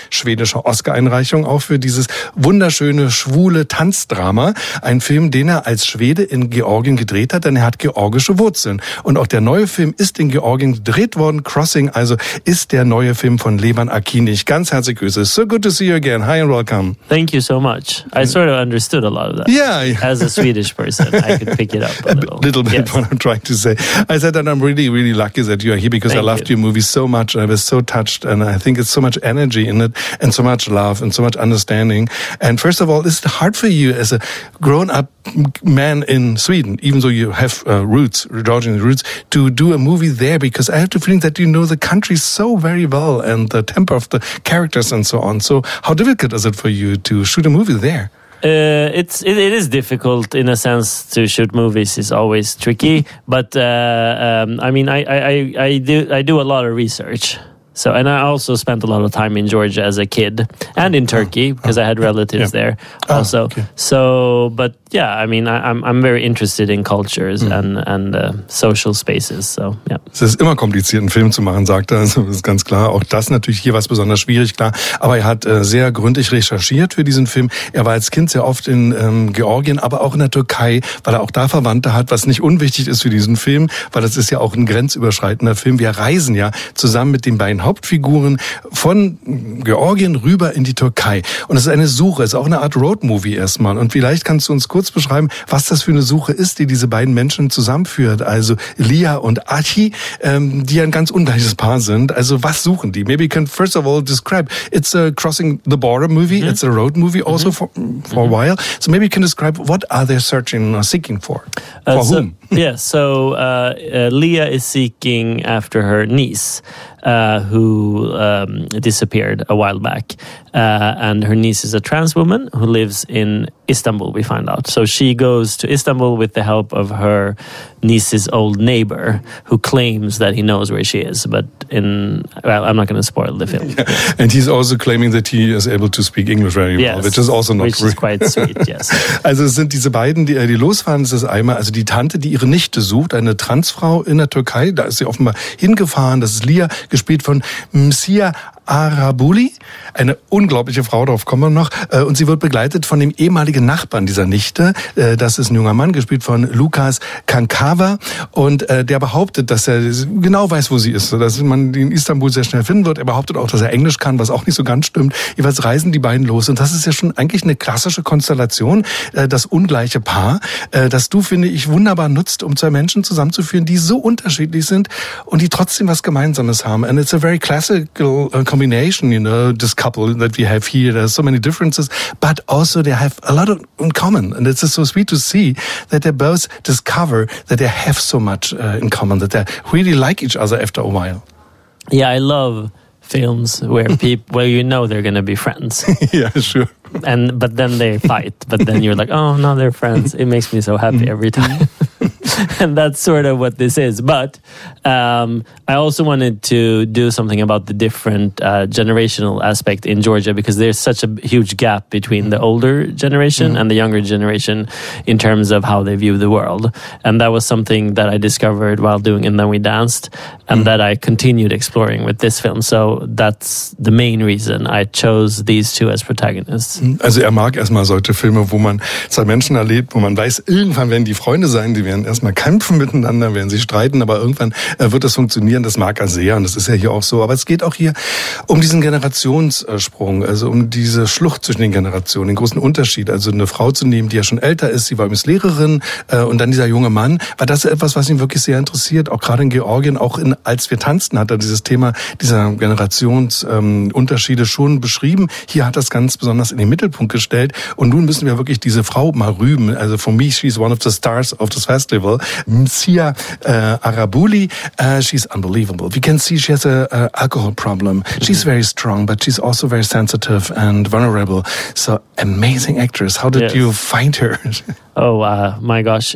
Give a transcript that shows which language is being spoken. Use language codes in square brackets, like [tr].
[de] Schwedische Oscar-Einreichung auch für dieses wunderschöne, schwule Tanzdrama. Ein Film, den er als Schwede in Georgien gedreht hat, denn er hat georgische Wurzeln. Und auch der neue Film ist in Georgien gedreht worden. Crossing, also ist der neue Film von Levan Akinic. Ganz herzlich grüße. [en] So good to see you again. Hi and welcome. Thank you so much. I sort of understood a lot of that. Yeah. As a Swedish person, I could pick it up a little. Little bit, yes. What I'm trying to say. I said that I'm really, really lucky that you are here because I loved your movie so much. I was so touched and I think it's so much energy in it and so much love and so much understanding. And first of all, is it hard for you as a grown-up man in Sweden, even though you have roots, Georgian roots, to do a movie there? Because I have the feeling that you know the country so very well and the temper of the characters and so on. So how difficult is it for you to shoot a movie there? It is difficult in a sense to shoot movies. It's always tricky, but I do a lot of research. So, and I also spent a lot of time in Georgia as a kid and in Turkey because I had relatives there also. Okay. So, but yeah, I mean, I'm very interested in cultures and social spaces. So, yeah. [de] Es ist immer kompliziert, einen Film zu machen, sagt er. Also, das ist ganz klar. Auch das natürlich hier war besonders schwierig, klar. Aber er hat sehr gründlich recherchiert für diesen Film. Er war als Kind sehr oft in Georgien, aber auch in der Türkei, weil er auch da Verwandte hat, was nicht unwichtig ist für diesen Film, weil das ist ja auch ein grenzüberschreitender Film. Wir reisen ja zusammen mit den beiden Hauptfiguren von Georgien rüber in die Türkei. Und es ist eine Suche, es ist auch eine Art Roadmovie erstmal. Und vielleicht kannst du uns kurz beschreiben, was das für eine Suche ist, die diese beiden Menschen zusammenführt. Also Lia und Achi, die ein ganz ungleiches Paar sind. Also was suchen die? [en] Maybe you can first of all describe, it's a crossing the border movie, mm-hmm. It's a road movie also for a while. So maybe you can describe, what are they searching or seeking for? For whom? Yeah, so Lia is seeking after her niece, who disappeared a while back. And her niece is a trans woman who lives in Istanbul, we find out. So she goes to Istanbul with the help of her niece's old neighbor, who claims that he knows where she is. But I'm not going to spoil the film. Yeah. And he's also claiming that he is able to speak English very well, which is also not true. Which is quite sweet, yes. [de] Also es sind diese beiden, die losfahren. Es ist einmal also die Tante, die ihre Nichte sucht, eine Transfrau in der Türkei. Da ist sie offenbar hingefahren. Das ist Lia, gespielt von Msia Arabuli, eine unglaubliche Frau, darauf kommen wir noch. Und sie wird begleitet von dem ehemaligen Nachbarn dieser Nichte. Das ist ein junger Mann, gespielt von Lukas Kankava. Und der behauptet, dass er genau weiß, wo sie ist. Dass man die in Istanbul sehr schnell finden wird. Er behauptet auch, dass er Englisch kann, was auch nicht so ganz stimmt. Jeweils reisen die beiden los. Und das ist ja schon eigentlich eine klassische Konstellation. Das ungleiche Paar, das du, finde ich, wunderbar nutzt, um zwei Menschen zusammenzuführen, die so unterschiedlich sind und die trotzdem was Gemeinsames haben. [en] And it's a very classical combination, you know, this couple that we have here. There's so many differences, but also they have a lot in common. And it's just so sweet to see that they both discover that they have so much in common, that they really like each other after a while. Yeah, I love films where where you know they're going to be friends. Yeah, sure. But then they fight, but then you're like, oh, now they're friends. It makes me so happy every time. And that's sort of what this is. But I also wanted to do something about the different generational aspect in Georgia, because there's such a huge gap between the older generation and the younger generation in terms of how they view the world. And that was something that I discovered while doing And Then We Danced, and that I continued exploring with this film. So that's the main reason I chose these two as protagonists. [de] Also er mag erstmal solche Filme, wo man zwei Menschen erlebt, wo man weiß, irgendwann werden die Freunde sein, die werden erstmal kämpfen miteinander, werden sie streiten, aber irgendwann wird das funktionieren, das mag er sehr und das ist ja hier auch so. Aber es geht auch hier um diesen Generationssprung, also um diese Schlucht zwischen den Generationen, den großen Unterschied. Also eine Frau zu nehmen, die ja schon älter ist, sie war übrigens Lehrerin und dann dieser junge Mann, war das etwas, was ihn wirklich sehr interessiert, auch gerade in Georgien, auch in Als wir tanzten, hat er dieses Thema dieser Generationsunterschiede schon beschrieben. Hier hat er es ganz besonders in den Mittelpunkt gestellt und nun müssen wir wirklich diese Frau mal rüben. [en] Also for me, she's one of the stars of this festival. Mzia Arabuli, she's unbelievable. We can see she has an alcohol problem. She's very strong, but she's also very sensitive and vulnerable. So amazing actress. How did you find her? Oh my gosh.